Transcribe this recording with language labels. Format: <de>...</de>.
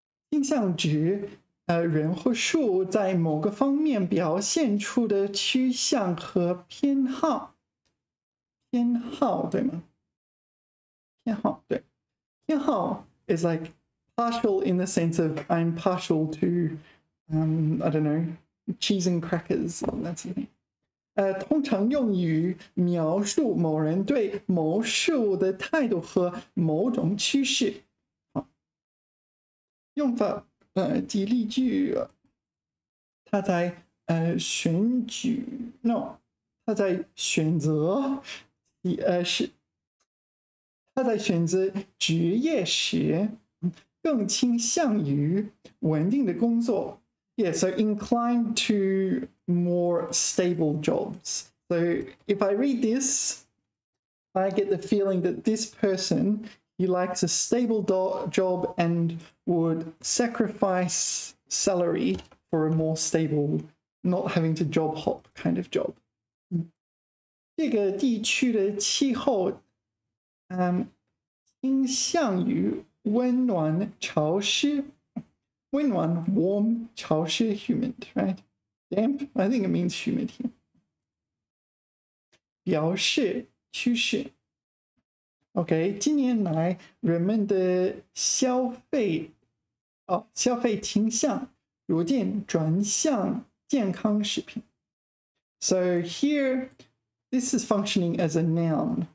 <zh>倾向指人或事物在某个方面表现出的趋向和偏好。偏好对吗？偏好对。</zh> <en>偏好 is like partial in the sense of I'm partial to, I don't know, cheese and crackers and that sort of thing.</en> <zh>通常用于描述某人对某事物的态度和某种趋势。好，用法，几例句，他在选举 ，no， 他在选择，是他在选择职业时，更倾向于稳定的工作。</zh> <en>Yeah, so inclined to more stable jobs. So if I read this, I get the feeling that this person, he likes a stable job and would sacrifice salary for a more stable, not having to job hop kind of job.</en> <zh>这个地区的气候倾向于温暖潮湿。</zh> <en>Wind one, warm, 潮湿, humid, right? Damp, I think it means humid here.</en> <zh>表示趋势。 Okay, 今年来人们的消费倾向逐渐转向健康食品。</zh> <en>So here, this is functioning as a noun.</en>